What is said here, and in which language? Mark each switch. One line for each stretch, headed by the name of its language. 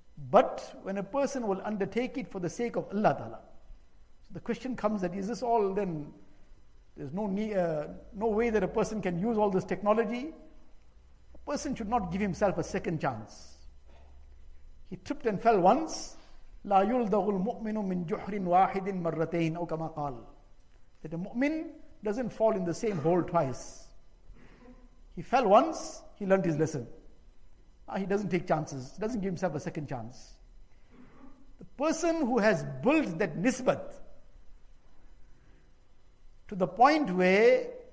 English: But when a person will undertake it for the sake of Allah Ta'ala, so the question comes that, is this all then, there's no way that a person can use all this technology? A person should not give himself a second chance. He tripped and fell once.
Arabic: لا يلدغ المؤمن من جحر واحد مرتين أو كما قال.
English: That a mu'min doesn't fall in the same hole twice. He fell once, he learnt his lesson. Now he doesn't take chances, doesn't give himself a second chance. The person who has built that nisbat to the point where